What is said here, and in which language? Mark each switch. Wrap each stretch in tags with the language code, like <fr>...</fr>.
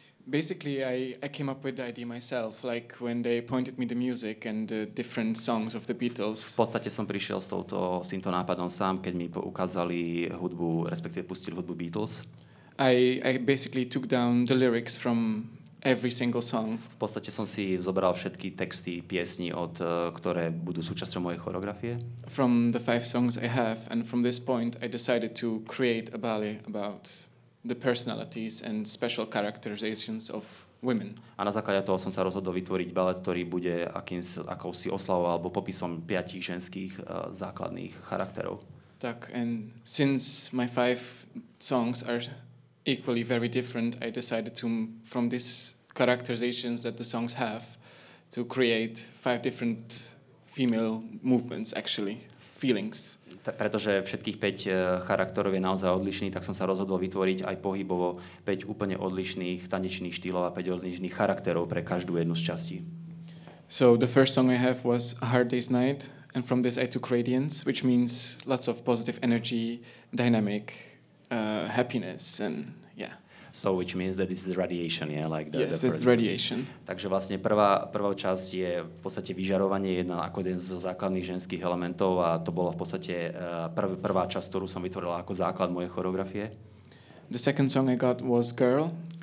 <en>Basically, I came up with the idea myself, like when they pointed me the music and the different songs of the Beatles.</en> <sk>V podstate som prišiel s týmto nápadom sám, keď mi ukázali hudbu, respektíve pustili hudbu Beatles.</sk> <en>I basically took down the lyrics from every single song.</en> <sk>V podstate som si zobral všetky texty piesní, od ktoré budú súčasťou mojej choreografie.</sk> <en>From the 5 songs I have, and from this point I decided to create a ballet about the personalities and special characterizations of women.</en> <sk>A na základe toho som sa rozhodol vytvoriť balet, ktorý bude akousi oslavou alebo popisom 5 ženských základných charakterov.</sk> <en>Tak, and since my 5 songs are equally very different, I decided to, from these characterizations that the songs have, to create 5 different female movements, actually, feelings.</en> <sk>Pretože všetkých 5 charakterov je naozaj odlišný, tak som sa rozhodol vytvoriť aj pohybovo 5 úplne odlišných tanečných štýlov a 5 odlišných charakterov pre každú jednu z častí.</sk> <en>So the first song I have was A Hard Day's Night, and from this I took Radiance, which means lots of positive energy, dynamic, happiness, and yeah. So which means that this is radiation, yeah? Like the yes, it's radiation.</en> <sk>Takže vlastne prvá časť je v podstate vyžarovanie, jedna ako jeden zo základných ženských elementov a to bola v podstate prvá časť, ktorú som vytvorila ako základ mojej choreografie.</sk> <en>The second song I got was Girl.</en>